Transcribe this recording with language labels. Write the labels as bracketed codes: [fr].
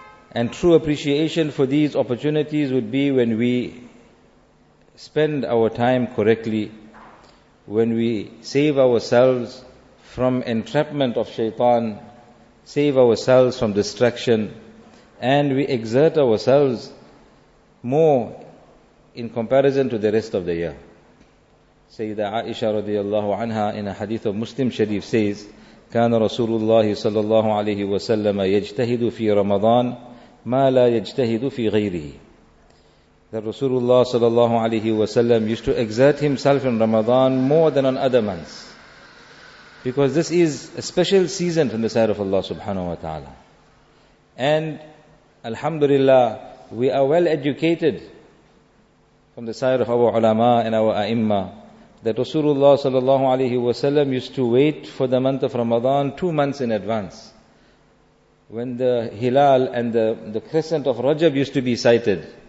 [en] And true appreciation for these opportunities would be when we spend our time correctly, when we save ourselves from entrapment of shaitan, save ourselves from distraction, and we exert ourselves more in comparison to the rest of the year. Sayyidah Aisha radiallahu anha in a hadith of Muslim Sharif says, [ar] كان رسول الله صلى الله عليه وسلم يجتهد في رمضان ما لا يجتهد في غيره. [en] That Rasulullah [ar] صلى الله عليه وسلم [en] used to exert himself in Ramadan more than on other months. Because this is a special season from the side of Allah subhanahu wa ta'ala. And alhamdulillah, we are well educated from the side of our ulama and our a'imma that Rasulullah sallallahu alayhi wa sallam used to wait for the month of Ramadan 2 months in advance, when the hilal and the crescent of Rajab used to be sighted.